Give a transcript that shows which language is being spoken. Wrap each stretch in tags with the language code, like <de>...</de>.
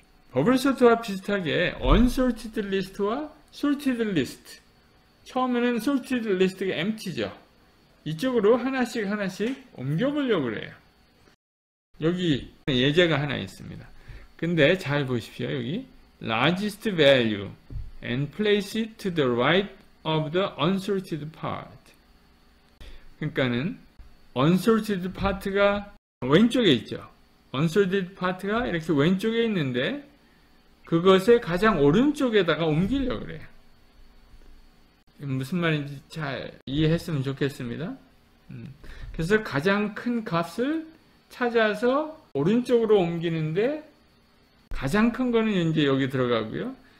<ko>버블 소트와 비슷하게 unsorted list와 sorted list. 처음에는 sorted list가 empty죠. 이쪽으로 하나씩 하나씩 옮겨보려고 해요. 여기 예제가 하나 있습니다. 근데 잘 보십시오.</ko> <en>여기 largest value and place it to the right of the unsorted part.</en> <ko>그러니까는 unsorted part가 왼쪽에 있죠. unsorted part가 이렇게 왼쪽에 있는데 그것의 가장 오른쪽에다가 옮기려고 그래요. 무슨 말인지 잘 이해했으면 좋겠습니다. 그래서 가장 큰 값을 찾아서 오른쪽으로 옮기는데 가장 큰 거는 이제 여기 들어가고요.</ko>